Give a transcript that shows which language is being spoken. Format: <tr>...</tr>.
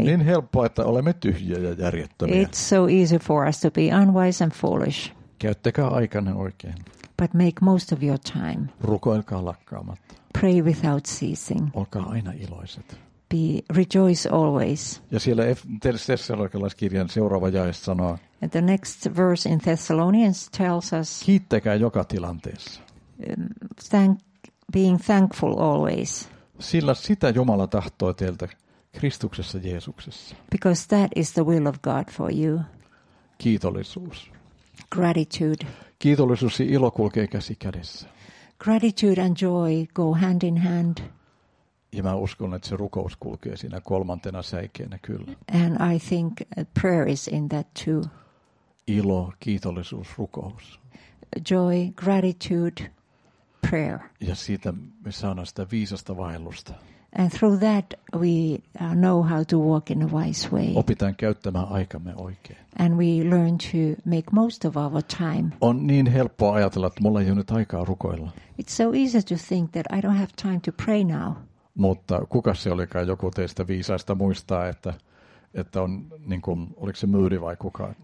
<fi>On niin helppoa, että olemme tyhjiä ja järjettömiä.</fi> <en>It's so easy for us to be unwise and foolish.</en> <fi>Käyttäkää aikanne oikein.</fi> <en>But make most of your time.</en> <fi>Rukoilkaa lakkaamatta.</fi> <en>Pray without ceasing.</en> <fi>Olkaa aina iloiset.</fi> <en>Be rejoice always.</en> <fi>Ja siellä Thessalonikalaiskirjan seuraava jae sanoo.</fi> <en>And the next verse in Thessalonians tells us.</en> <fi>Kiittäkää joka tilanteessa.</fi> <en>Being thankful always.</en> <fi>Sillä sitä Jumala tahtoo teiltä Kristuksessa Jeesuksessa.</fi> <en>Because that is the will of God for you.</en> <fi>Kiitollisuus.</fi> <en>Gratitude.</en> <fi>Kiitollisuus ja ilo kulkee käsi kädessä.</fi> <en>Gratitude and joy go hand in hand.</en> <fi>Ja mä uskon, että se rukous kulkee siinä kolmantena säikeenä kyllä.</fi> <en>And I think prayer is in that too.</en> <fi>Ilo, kiitollisuus, rukous.</fi> <en>Joy, gratitude, prayer.</en> <fi>Ja siitä me saadaan sitä viisasta vaellusta.</fi> <en>And through that we know how to walk in a wise way.</en> <fi>Opitaan käyttämään aikamme oikein.</fi> <en>And we learn to make most of our time.</en> <fi>On niin helppoa ajatella, että mulla ei ole nyt aikaa rukoilla.</fi> <en>It's so easy to think that I don't have time to pray now.</en> <fi>Mutta kuka se olikaan joku teistä viisaista muistaa, että on niin kuin, oliko se Moody vai kuka?</fi>